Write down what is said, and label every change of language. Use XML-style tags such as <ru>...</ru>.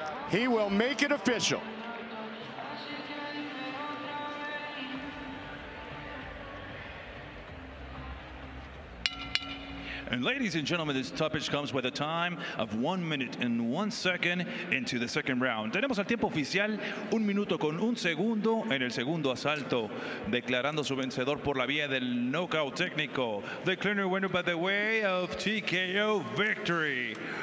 <en>He will make it official. And ladies and gentlemen, this toughish comes with a time of 1 minute and 1 second into the second round.</en> <es>Tenemos el tiempo oficial, 1 minuto con 1 segundo en el segundo asalto, declarando su vencedor por la vía del knockout técnico.</es> <en>The clear winner by the way of TKO victory.</en>